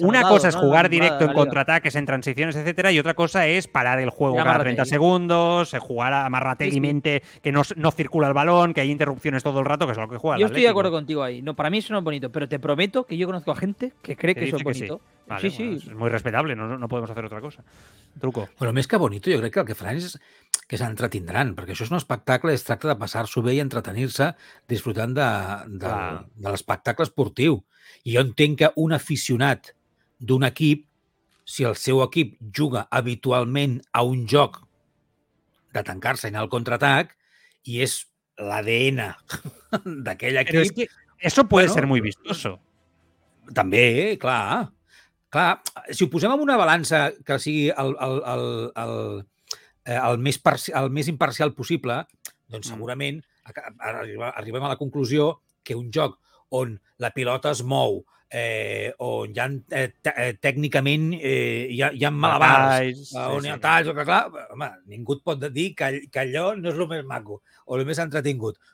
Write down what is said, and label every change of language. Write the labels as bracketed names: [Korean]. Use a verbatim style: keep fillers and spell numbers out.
[Spanish] Una cosa es jugar directo en contraataques, en transiciones, etcétera, y otra cosa es parar el juego cada treinta segundos, jugar amarrateguimente, que no, no circula el balón, que hay interrupciones todo el rato, que es lo que juega. Yo estoy de acuerdo contigo ahí. No, para mí eso no es bonito, pero te prometo que yo conozco a gente que cree que eso es bonito. [Catalan] Sí. Vale, sí, bueno, sí. És molt respetable, no, no podem fer altra cosa. Truco. Però més que bonito, jo crec que el que faran és que s'entretindran, perquè això és un espectacle, es tracta de passar-s'ho bé i entretenir-se disfrutant de, de, ah. de l'espectacle esportiu. I jo entenc que un aficionat d'un equip, si el seu equip juga habitualment a un joc de tancar-se en el contraatac, i és l'A D N d'aquell equip... Però és que [Spanish] eso puede bueno, ser muy vistoso. [Catalan] També, eh, clar... Clar, si ho posem en una balança que sigui el, el, el, el, el, més, parci, el més imparcial possible, doncs segurament arribem a la conclusió que un joc on la pilota es mou, eh, on hi ha eh, tècnicament eh, hi ha, hi ha malabars, on hi ha talls, que clar, home, ningú pot dir que, que allò no és el més maco o el més entretingut.